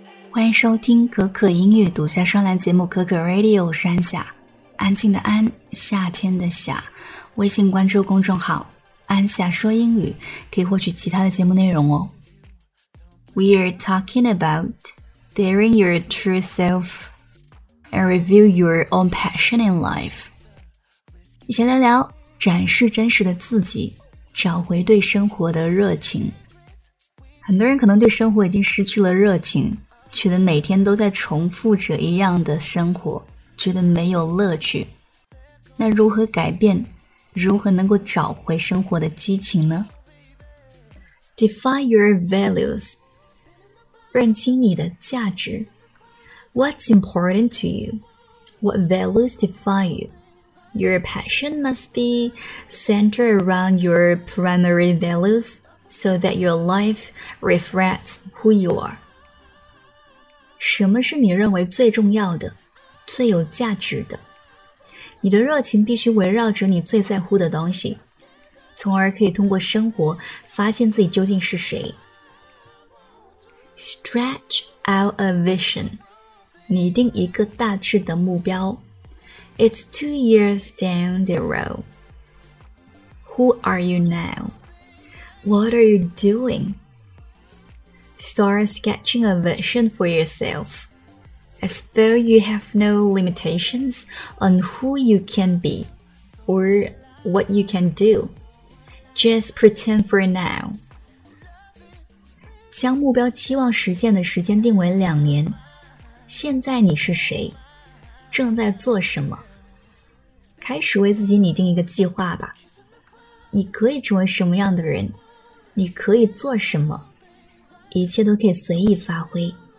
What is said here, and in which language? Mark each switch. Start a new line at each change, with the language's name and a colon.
Chinese: 欢迎收听可可英语独家专栏节目可可 Radio 山下，安静的安，夏天的夏。微信关注公众号安夏说英语，可以获取其他的节目内容哦。
English: We are talking about daring your true self and reveal your own passion in life.
Chinese: 一起聊聊展示真实的自己，找回对生活的热情。很多人可能对生活已经失去了热情，觉得每天都在重复着一样的生活，觉得没有乐趣。那如何改变？如何能够找回生活的激情呢？
English: Define your values.
Chinese: 认清你的价值。
English: What's important to you? What values define you? Your passion must be centered around your primary values so that your life reflects who you are.
Chinese: 什么是你认为最重要的，最有价值的？你的热情必须围绕着你最在乎的东西，从而可以通过生活发现自己究竟是谁。
English: Stretch out a vision.
Chinese: 拟定一个大致的目标。
English: It's 2 years down the road. Who are you now? What are you doing? Start sketching a vision for yourself. As though you have no limitations on who you can be or what you can do. Just pretend for now.
Chinese: 将目标期望实现的时间定为2年。现在你是谁？正在做什么？开始为自己拟定一个计划吧。你可以成为什么样的人？你可以做什么？一切都可以随意发挥。